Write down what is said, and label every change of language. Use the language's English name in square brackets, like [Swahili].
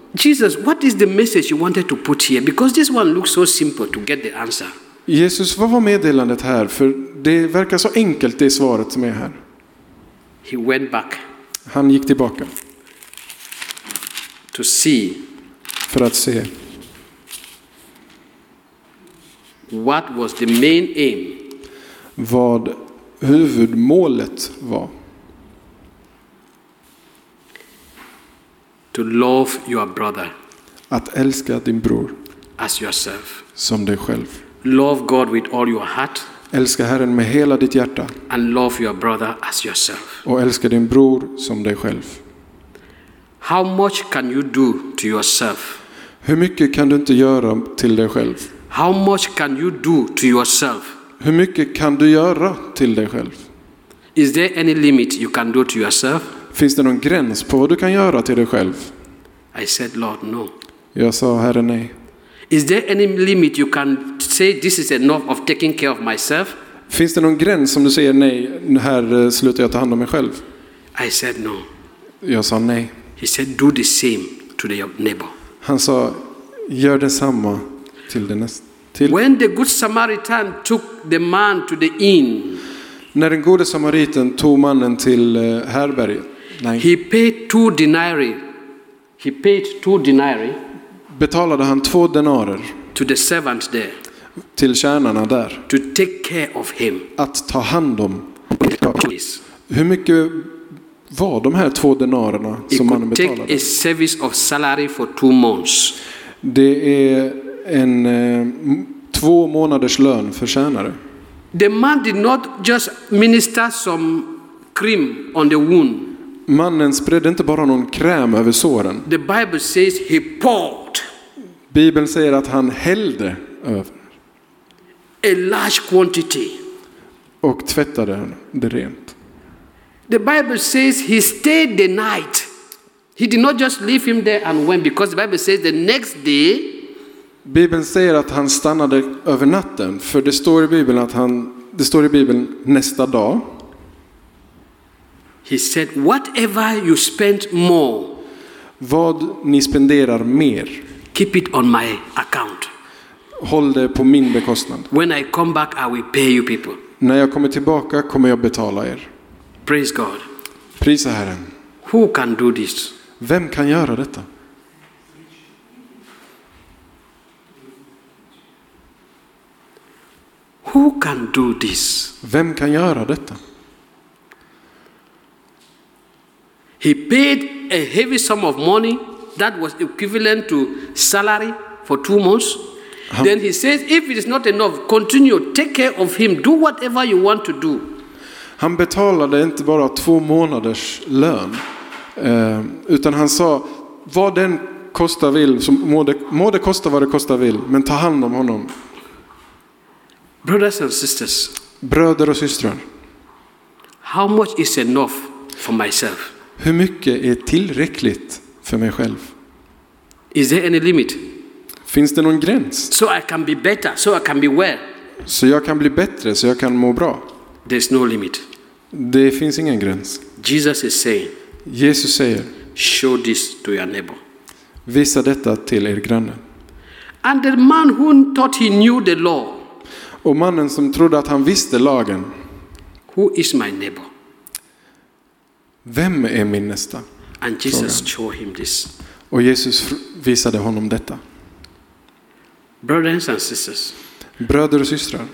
[English] Jesus, what is the message you wanted to put here? Because this one looks so simple to get the answer. [Swedish] Jesus, vad var meddelandet här? För det verkar så enkelt, det svaret som är här. [English] He went back. [Swedish] Han gick tillbaka. [English] To see. [Swedish] För att se. [English] What was the main aim? [Swedish] Vad huvudmålet var? [English] To love your brother. [Swedish] Att älska din bror. [English] As yourself. [Swedish] Som dig själv. [English] Love God with all your heart. [Swedish] Älska Herren med hela ditt hjärta. [English] And love your brother as yourself. [Swedish] Och älska din bror som dig själv. [English] How much can you do to yourself? [Swedish] Hur mycket kan du inte göra till dig själv? [English] How much can you do to yourself? [Swedish] Hur mycket kan du göra till dig själv? [English] Is there any limit you can do to yourself? [Swedish] Finns det någon gräns på vad du kan göra till dig själv? [English] I said, Lord, no. [Swedish] Jag sa, Herre, nej. [English] Is there any limit you can say this is enough of taking care of myself? [Swedish] Finns det någon gräns som du säger nej, här slutar jag ta hand om mig själv? [English] I said, no. [Swedish] Jag sa nej. [English] He said, do the same to the neighbor. [Swedish] Han sa, gör detsamma. [English] When the good Samaritan took the man to the inn. [Swedish] När den gode samariten tog mannen till härberget. [English] He paid 2 denarii. He paid 2 denarii. [Swedish] Betalade han 2 denarer. [English] To the servant there. [Swedish] Till tjänarna där. [English] To take care of him. [Swedish] Att ta hand om. [English] Please. [Swedish] Hur mycket var de här 2 denarerna som mannen betalade? [English] It could take a service of salary for 2 months. [Swedish] Det är en 2 månaders lön för tjänare. [English] The man did not just minister some cream on the wound. [Swedish] Mannen spred inte bara någon kräm över såren. [English] The Bible says he poured. [Swedish] Bibeln säger att han hällde över. [English] A large quantity. [Swedish] Och tvättade det rent. [English] The Bible says he stayed the night. He did not just leave him there and went, because the Bible says the next day. [Swedish] Bibeln säger att han stannade över natten, för det står i Bibeln att han, det står i Bibeln nästa dag. [English] He said, whatever you spend more, [Swedish] vad ni spenderar mer, [English] keep it on my account. [Swedish] Håll det på min bekostnad. [English] When I come back, I will pay you people. [Swedish] När jag kommer tillbaka kommer jag betala er. [English] Praise God. [Swedish] Prisa Herren. [English] Who can do this? [Swedish] Vem kan göra detta? [English] Who can do this? [Swedish] Vem kan göra detta? [English] He paid a heavy sum of money that was equivalent to salary for 2 months. Then he says, if it is not enough, continue, take care of him, do whatever you want to do. [Swedish] Han betalade inte bara 2 månaders lön, utan han sa, vad den kostar vill, så må det kosta vad det kostar vill, men ta hand om honom. [English] Brothers and sisters. [Swedish] Bröder och systrar. [English] How much is enough for myself? [Swedish] Hur mycket är tillräckligt för mig själv? [English] Is there any limit? [Swedish] Finns det någon gräns? [English] So I can be better, so I can be well. [Swedish] Så jag kan bli bättre, så jag kan må bra. [English] There's no limit. [Swedish] Det finns ingen gräns. [English] Jesus is saying. [Swedish] Jesus säger. [English] Show this to your neighbor. [Swedish] Visa detta till er granne. [English] And the man who thought he knew the law. [Swedish] Och mannen som trodde att han visste lagen. [English] Who is my neighbor? [Swedish] Vem är min nästa? [English] And Jesus showed him this. [Swedish] Och Jesus visade honom detta. [English] Brothers and sisters. [Swedish] Bröder och systrar.